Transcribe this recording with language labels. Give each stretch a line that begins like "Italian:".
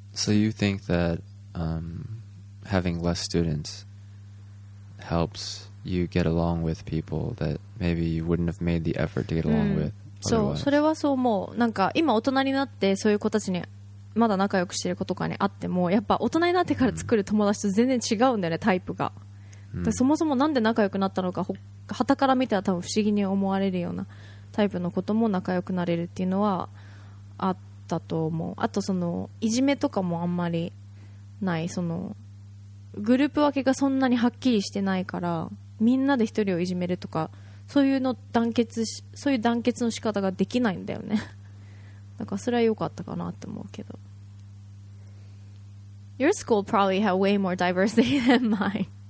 English: So you think that、having less students helps you get along with people that maybe you wouldn't have made the effort to get along with otherwise?
Japanese: そう、それはそう思う。なんか今大人になってそういう子たちにまだ仲良くしてる子とかに会ってもやっぱ大人になってから作る友達と全然違うんだよねタイプが、そもそもなんで仲良くなったのか旗から見たら多分不思議に思われるようなタイプの子とも仲良くなれるっていうのはあったと思う。あとそのいじめとかもあんまりない、そのグループ分けがそんなにはっきりしてないからみんなで一人をいじめるとかそういうの団結し、そういう団結の仕方ができないんだよね。なんかそれは良かったかなって思うけど。
English: Your school probably had way more diversity than mine.